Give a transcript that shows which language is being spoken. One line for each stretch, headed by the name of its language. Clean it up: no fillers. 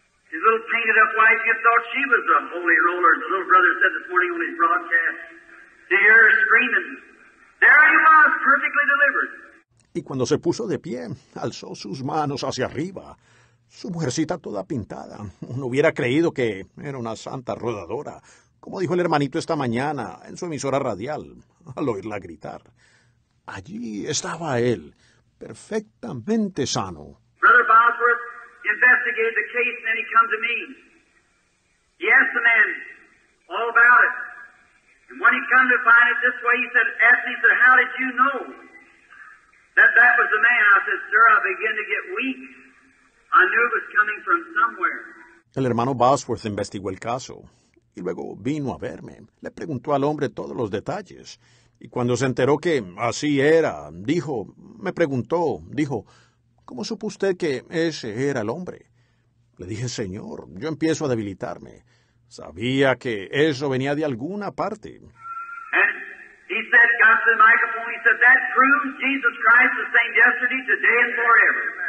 English: His little painted up wife, you thought she was a holy roller, as the little brother said this morning on his broadcast. You hear her screaming. There he was, perfectly delivered.
Spanish: Y cuando se puso de pie, alzó sus manos hacia arriba. Su mujercita toda pintada. Uno hubiera creído que era una santa rodadora, como dijo el hermanito esta mañana en su emisora radial, al oírla gritar. Allí estaba él, perfectamente sano.
English: Brother Bosworth investigated the case and then he come to me. He asked the man all about it. And when he come to find it this way, he said, asked me, he said, how did you know that that was the man? I said, sir, I began to get weak. I knew it was coming from somewhere.
Spanish: El hermano Bosworth investigó el caso y luego vino a verme. Le preguntó al hombre todos los detalles. Y cuando se enteró que así era, me preguntó, ¿cómo supo usted que ese era el hombre? Le dije, Señor, yo empiezo a debilitarme. Sabía que eso venía de alguna parte.
English: And he said, got to the microphone, he said, that proves Jesus Christ the same yesterday, today and forever.